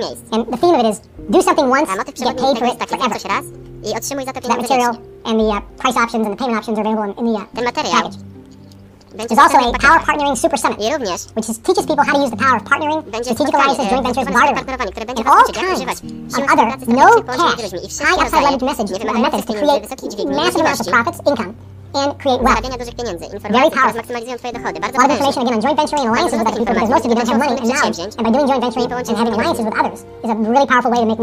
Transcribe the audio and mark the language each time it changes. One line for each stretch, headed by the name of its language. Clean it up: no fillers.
English: And the theme of it is, do something once, get paid for it forever. That material and the price options and the payment options are available in the package. There's also a Power Partnering Super Summit, which is, teaches people how to use the power of partnering, strategic alliances, joint ventures, bartering, and all kinds of other no-cash, high upside leverage message methods to create massive amounts of profits, income, and create wealth.
Polish: Zarabiania dużych pieniędzy, informacje, które zmaksymalizują twoje dochody. Bardzo
English: powerful. Information again on joint venturing and alliances with other people, because most of you don't have money and now, and by doing joint venturing and having alliances with others, is a really powerful way to make